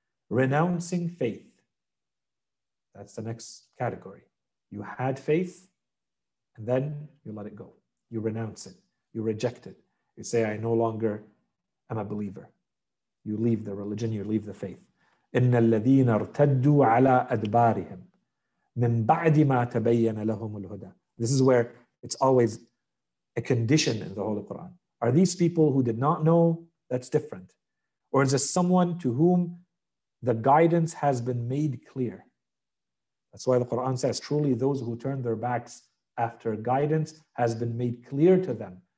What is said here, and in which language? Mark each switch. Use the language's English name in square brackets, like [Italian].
[English] Renouncing faith. That's the next category. You had faith, and then you let it go. You renounce it. You reject it. You say, I no longer am a believer. You leave the religion, you leave the faith. [Arabic] إن الذين ارتدوا على أدبارهم من بعد ما تبين لهم الهدى. [English] This is where it's always a condition in the Holy Quran. Are these people who did not know? That's different. Or is this someone to whom the guidance has been made clear? That's why the Quran says, truly those who turn their backs after guidance has been made clear to them.